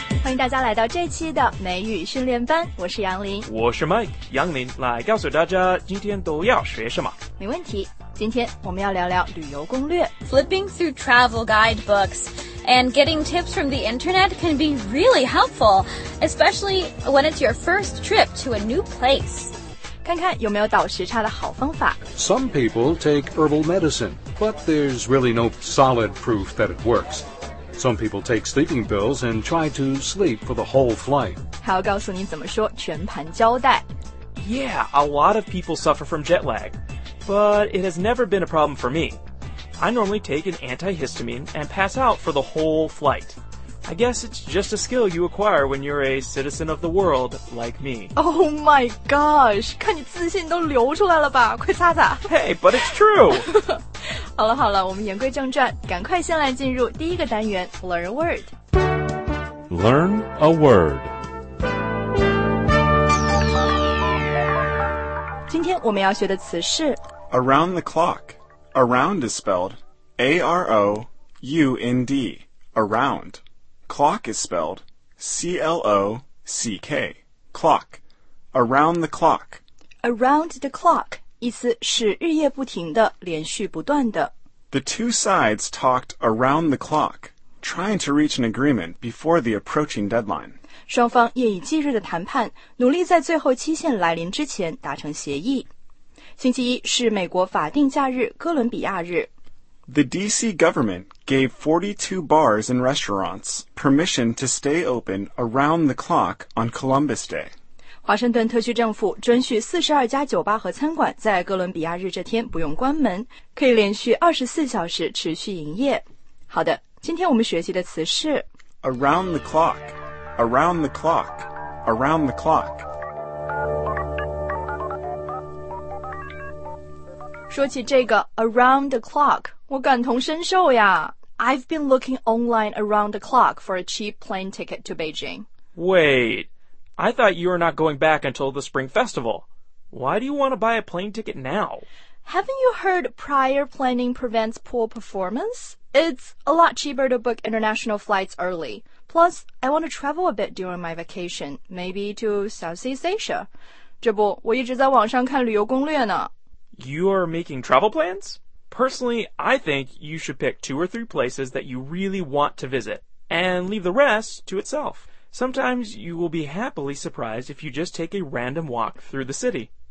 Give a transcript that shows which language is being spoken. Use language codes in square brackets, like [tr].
[zh] 迎大家来到这期的美语训练班，我是杨林，我是 Mike 杨林，来告诉大家今天都要学什么。没问题，今天我们要聊聊旅游攻略。 [en] Flipping through travel guidebooks and getting tips from the internet can be really helpful, especially when it's your first trip to a new place. [zh] 看看有没有倒时差的好方法。 [en] Some people take herbal medicine, but there's really no solid proof that it works. Some people take sleeping pills and try to sleep for the whole flight. [zh] 还要告诉你怎么说全盘交代。 [en] Yeah, a lot of people suffer from jet lag, but it has never been a problem for me. I normally take an antihistamine and pass out for the whole flight. I guess it's just a skill you acquire when you're a citizen of the world like me. Oh my gosh, [zh] 看你自信都流出来了吧，快擦擦。 [en] Hey, but it's true! [zh] 好了好了，我们言归正传，赶快先来进入第一个单元 [en] Learn a Word. Learn a Word. [zh] 今天我们要学的词是 [en] Around the clock. Around is spelled A-R-O-U-N-D. Around. Clock is spelled C-L-O-C-K. Clock. Around the clock. Around the clock. [zh] 意思是日夜不停的，连续不断的。 [en] The two sides talked around the clock, trying to reach an agreement before the approaching deadline. [zh] 双方夜以继日的谈判，努力在最后期限来临之前达成协议。星期一是美国法定假日哥伦比亚日。 [en] The D.C. government gave 42 bars and restaurants permission to stay open around the clock on Columbus Day. [zh] 华盛顿特区政府准许42家酒吧和餐馆在哥伦比亚日这天不用关门，可以连续24小时持续营业。好的，今天我们学习的词是 [en] Around the clock, around the clock, around the clock。 [zh] 说起这个 around the clock, 我感同身受呀。 [en] I've been looking online around the clock for a cheap plane ticket to Beijing. WaitI thought you were not going back until the Spring Festival. Why do you want to buy a plane ticket now? Haven't you heard prior planning prevents poor performance? It's a lot cheaper to book international flights early. Plus, I want to travel a bit during my vacation, maybe to Southeast Asia. [zh] 这不，我一直在网上看旅游攻略呢。 [en] You are making travel plans? Personally, I think you should pick two or three places that you really want to visit, and leave the rest to itself. Sometimes you will be happily surprised if you just take a random walk through the city.